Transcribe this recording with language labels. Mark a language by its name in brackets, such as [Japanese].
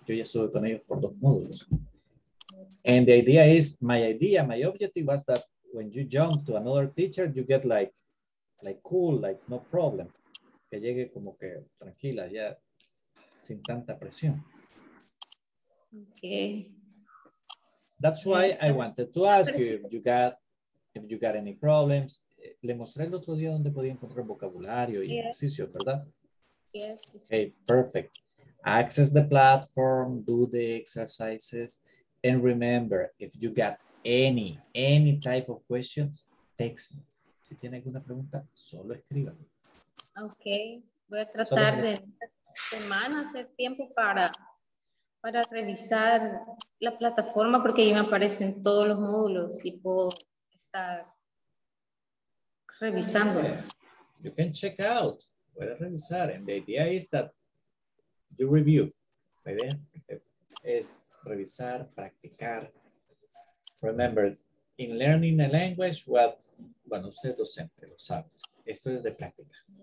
[Spanish] Yo ya estuve con ellos por 2 módulos, [English] and the idea is, my objective was that when you jump to another teacher, you get like cool, like no problem, [Spanish] que llegue como que tranquila ya, sin tanta presión. [English] Okay. That's why I wanted to ask you if you got any problems. [Spanish] Le mostré el otro día donde podía encontrar vocabulario y ejercicio, ¿verdad? [English] Yes. Okay, perfect. Access the platform, do the exercises, and remember, if you got any type of question, text me. [Spanish] Si tiene alguna pregunta, solo escríbame. Okay, voy a tratar de esta semana hacer tiempo para revisar la plataforma, porque ahí me aparecen todos los módulos y puedo estar revisando. [English] You can check out, [Spanish] puedes revisar, [English] and the idea is that you review. [Spanish] La idea es revisar, practicar. [English] Remember, in learning a language, [Spanish] bueno, usted es docente, lo sabe. Esto es de práctica.